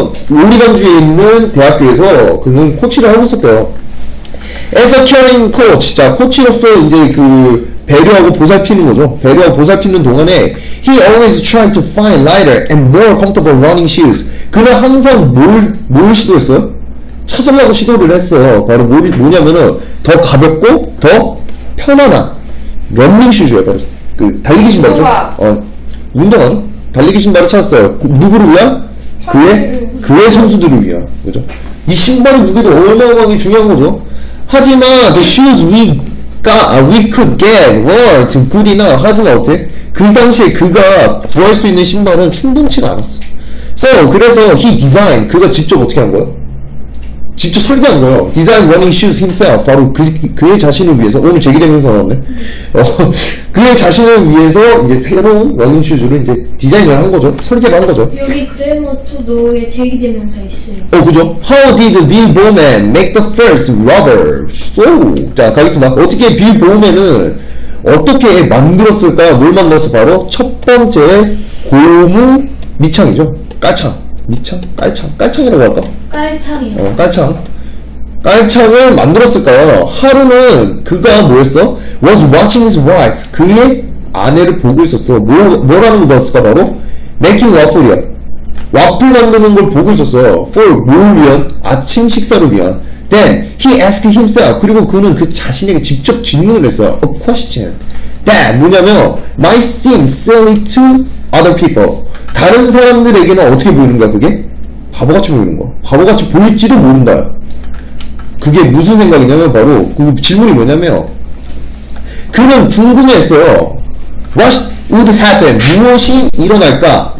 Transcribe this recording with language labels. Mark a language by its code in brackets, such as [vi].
[ko] 오리간주에 있는 대학교에서 그는 코치를 하고 있었대요. [en] As a caring coach, [ko] 자, 코치로서 이제 그 배려하고 보살피는 거죠. 배려하고 보살피는 동안에 [en] he always tried to find lighter and more comfortable running shoes. [ko] 그는 항상 뭘 시도했어요? 찾으려고 시도를 했어요. 바로 뭐냐면은 더 가볍고 더 편안한 러닝 슈즈예요. 바로 그 달리기 신발이죠. 운동화죠. 달리기 신발을 찾았어요. 누구를 위한? 그의 선수들을 위한 거죠. 이 신발이 누구도 어마어마하게 중요한 거죠. 하지만 [en] the shoes we could get weren't good enough. [ko] 하지만 어때? 그 당시에 그가 구할 수 있는 신발은 충분치가 않았어. [en] So [ko] 그래서 [en] he designed. [ko] 그가 직접 어떻게 한 거야? 직접 설계한 거야. [en] Design running shoes himself. [ko] 바로 그의 자신을 위해서. 오늘 재기되면서 나왔네. 그의 자신을 위해서 이제 새로운 러닝 슈즈를 이제 디자인을 한 거죠. 설계를 한 거죠. 여기 그레머투도의 재기되면서 있어요. 그죠? [en] How did Bill Bowman make the first rubber shoe? [ko] 자, 가겠습니다. 어떻게 빌 보맨은 어떻게 만들었을까? 뭘 만들었어? 바로 첫 번째 고무 밑창이죠. 까창. 밑창? 깔창? 깔창이라고 할까? 깔창이요. 깔창. 깔창을 만들었을까요? 하루는 그가 뭐였어? [en] Was watching his wife. [ko] 그의 아내를 보고 있었어. 뭐라는 거 봤을까? 바로 [en] Making waffle [ko] 이야. 와플 만드는 걸 보고 있었어. For 뭘 위한? 아침 식사를 위한. [en] Then he asked himself. [ko] 그리고 그는 그 자신에게 직접 질문을 했어요. [en] A question. That [ko] 뭐냐면 [en] Might seem silly to other people. [ko] 다른 사람들에게는 어떻게 보이는 거야, 그게? 바보같이 보이는 거야. 바보같이 보일지도 모른다. 그게 무슨 생각이냐면, 바로, 그 질문이 뭐냐면, 그는 궁금했어요. [en] What would happen? [ko] 무엇이 일어날까?